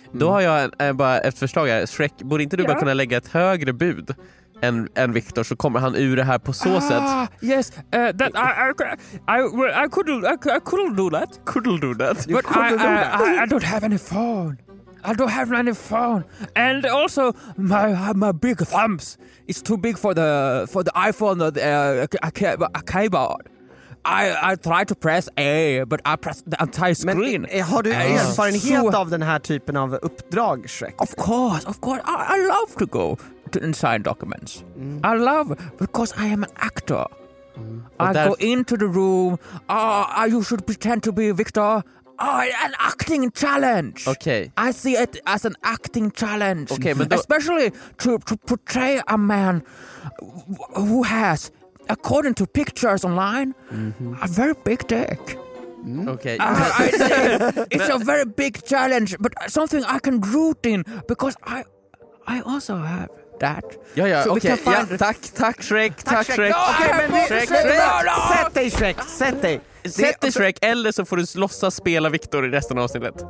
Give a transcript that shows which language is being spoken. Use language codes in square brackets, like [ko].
[sv] Då har jag bara ett förslag här. Shrek, borde inte du bara kunna lägga ett högre bud än Victor, så kommer han ur det här på så sätt? [en] Yes, that I couldn't do that. But I don't have any phone. I don't have any phone, and also my big thumbs is too big for the iPhone keyboard. I try to press A, but I press the entire screen. [sv] Men, har du erfarenhet av den här typen av uppdrag, Shrek? [en] Of course. I love to go to sign documents. Mm. I love because I am an actor. Mm. I go into the room. You should pretend to be Victor. An acting challenge. Okay. I see it as an acting challenge. Okay, but especially to portray a man who has, according to pictures online, mm-hmm. a very big dick. Mm. Okay. it's a very big challenge, but something I can root in because I also have that. [sv] Ja, ja, [en] so okay. [sv] Ja, tack Shrek. Tack Shrek. [en] No, okay, [sv] men Shrek, sätt dig eller så får du låtsas spela Victor i resten av avsnittet.